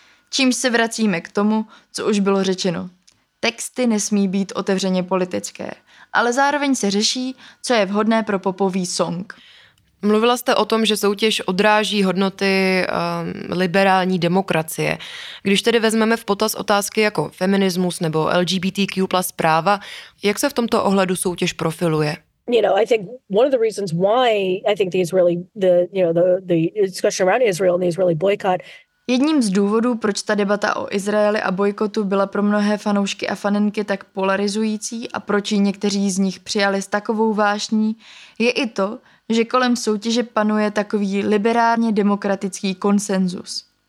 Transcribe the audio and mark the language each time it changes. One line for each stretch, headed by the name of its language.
Czech: Čímž se vracíme k tomu, co už bylo řečeno. Texty nesmí být otevřeně politické, ale zároveň se řeší, co je vhodné pro popový song. Mluvila jste o tom, že soutěž odráží hodnoty liberální demokracie. Když tedy vezmeme v potaz otázky jako feminismus nebo LGBTQ+ práva, jak se v tomto ohledu soutěž profiluje?
English: You know, I think one of the reasons why I think the Israeli, the discussion around Israel and the Israeli boycott.
Czech: Jedním z důvodů, proč ta debata o Izraeli a bojkotu byla pro mnohé fanoušky a fanenky tak polarizující a proč ji někteří z nich přijali s takovou vášní, je i to, že kolem soutěže panuje takový liberálně demokratický konsenzus.